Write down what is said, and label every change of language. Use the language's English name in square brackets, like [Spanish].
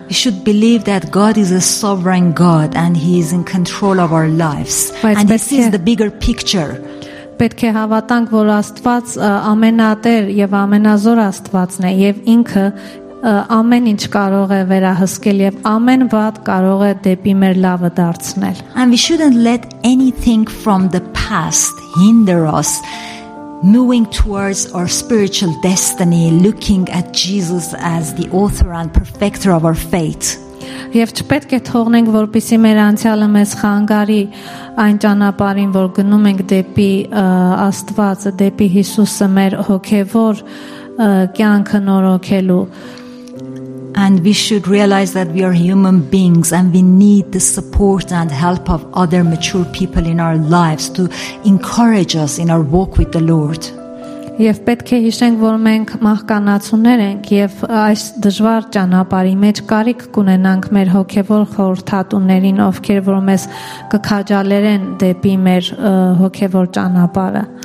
[English] We should believe that God is a sovereign God and He is in control of our lives. And this is the bigger picture. [Armenian] Պետք է հավատանք, որ Աստված ամենատեր եւ ամենազոր Աստվածն է եւ ինքը ամեն ինչ կարող է վերահսկել եւ ամեն վատ կարող է դեպի մեր լավը դարձնել։ [English] And we shouldn't let anything from the past hinder us moving towards our spiritual destiny, looking at Jesus as the author and perfecter of our faith. [Armenian] Եվ չպետք է թողնենք, որպեսզի մեր անցյալը մեզ խանգարի այն ճանապարհին, որ գնում ենք դեպի Աստվածը, դեպի Հիսուսը, մեր հոգևոր կյանքը նորոգելու։ [English] And we should realize that we are human beings and we need the support and help of other mature people in our lives to encourage us in our walk with the Lord. [Armenian] Եվ պետք է հիշենք, որ մենք մահկանացուներ ենք եւ այս դժվար ճանապարհի մեջ կարիք կունենանք մեր հոգեվոր խորհրդատուներին, ովքեր որ մեզ կքաջալերեն դեպի մեր հոգեվոր ճանապարհը։